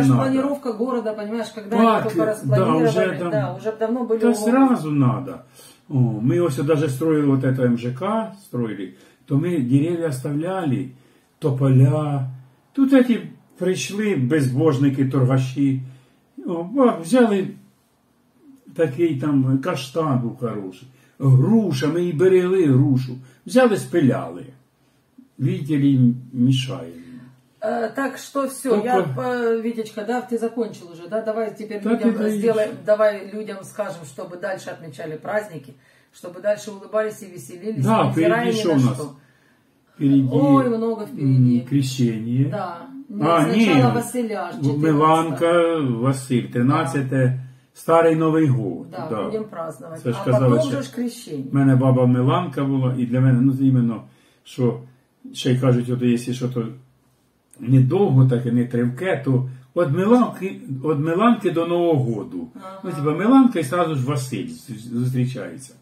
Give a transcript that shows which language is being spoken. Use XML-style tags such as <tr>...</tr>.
<ru>Это ж планировка города, понимаешь, когда они только распланировали, уже давно были уже. Та сразу надо. Мы ось даже строили вот это МЖК, строили. То мы деревья оставляли, то поля. Тут эти пришли безбожники, торгаши.</ru> <uk>Взяли такий там каштан був хороший.</uk> <ru>Груша, мы и берегли грушу. Взяли, спиляли. Видели, мешали. Так что все, Витечка, ты закончил уже, Давай теперь людям сделаем, давай людям скажем, чтобы дальше отмечали праздники, чтобы дальше улыбались и веселились. Да, впереди еще у нас. Впереди. Ой, много впереди. Крещение. Да. Сначала Василя. Миланка, Василь, 13-е, Старый Новый Год. Да, будем праздновать. Саш, потом уже ж крещение. У меня баба Миланка была, и для меня, что, еще и кажут, вот если что-то недовго, так и</ru> <uk>не тривке,</uk> <ru>то от Миланки до Нового Году. Ага.</ru> <uk>Миланка і</uk> <ru>сразу</ru> <uk>ж Василь зустрічається.</uk>